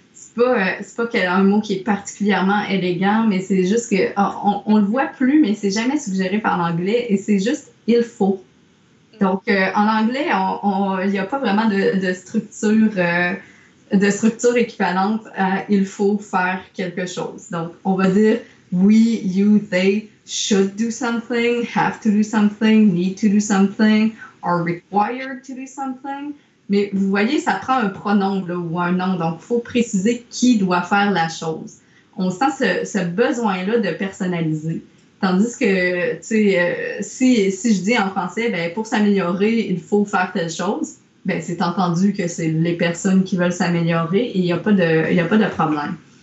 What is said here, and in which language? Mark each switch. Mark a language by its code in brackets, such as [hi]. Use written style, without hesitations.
[fr] C'est pas un mot qui est particulièrement élégant, mais c'est juste que... On le voit plus, mais c'est jamais suggéré par l'anglais, et c'est juste « il faut ». Donc, en anglais, il n'y a pas vraiment de structure... de structure équivalente à « il faut faire quelque chose ». Donc, on va dire [en] « we, you, they should do something, have to do something, need to do something, are required to do something ». [fr] Mais vous voyez, ça prend un pronom là, ou un nom, donc il faut préciser qui doit faire la chose. On sent ce besoin-là de personnaliser. Tandis que, tu sais, si je dis en français ben, « pour s'améliorer, il faut faire telle chose », bien, c'est entendu que c'est les personnes qui veulent s'améliorer et il n'y a pas de problème.